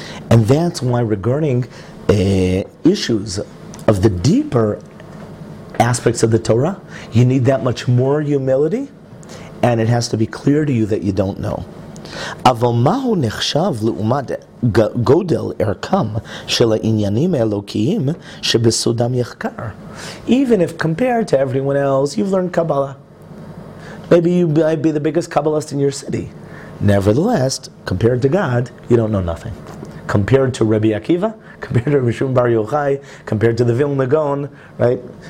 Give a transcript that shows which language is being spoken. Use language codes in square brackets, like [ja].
[en] And that's why regarding issues of the deeper aspects of the Torah, you need that much more humility, and it has to be clear to you that you don't know. [he] אבל מהו נחשב לעומת גודל ערכם של העניינים האלוקיים שבסודם יחקר? [en] Even if compared to everyone else, you've learned Kabbalah. Maybe you might be the biggest Kabbalist in your city. Nevertheless, compared to God, you don't know nothing. Compared to Rabbi Akiva, compared to Rabbi Shimon Bar Yochai, compared to the Vilna Gaon, right?